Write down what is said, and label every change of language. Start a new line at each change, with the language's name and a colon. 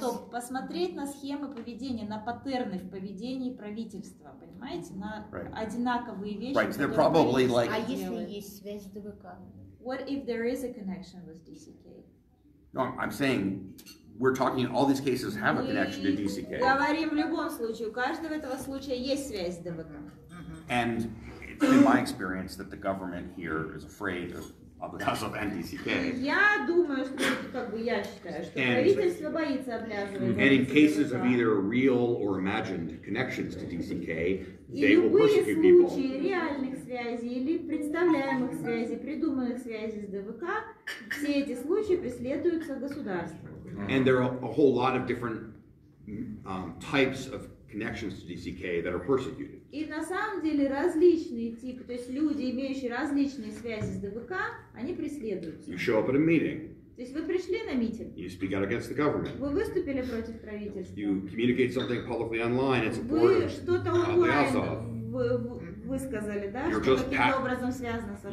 Russian: Посмотреть на схемы поведения, на паттерны в поведении правительства, понимаете, на одинаковые вещи.
English: Right. They're probably like.
Russian: А если есть связь с ДВК?
English: What if there is a connection with DCK? No, I'm saying. We're talking. All these cases have a connection to DCK.
Russian: Мы говорим в любом случае. У каждого этого случая есть связь с ДВК.
English: And it's in my experience that the government here is afraid of the cause of NDCK.
Russian: Я думаю, что как бы я считаю, что правительство боится облязывать.
English: And in cases of either real or imagined connections to DCK, they will persecute people.
Russian: И любые случаи реальных связей или представляемых связей, придуманных связей с ДВК, все эти случаи преследуются государством.
English: And there are a whole lot of different types of connections to DCK that are persecuted.
Russian: И на самом деле различные типы, то есть люди, имеющие различные связи с ДВК, они преследуются.
English: You show up at a meeting.
Russian: То есть вы пришли на митинг.
English: You speak out against the government.
Russian: Вы выступили против правительства.
English: You communicate something publicly online in support of the Azov.
Russian: Вы что-то онлайн высказали, да, что каким-то образом связано с ним.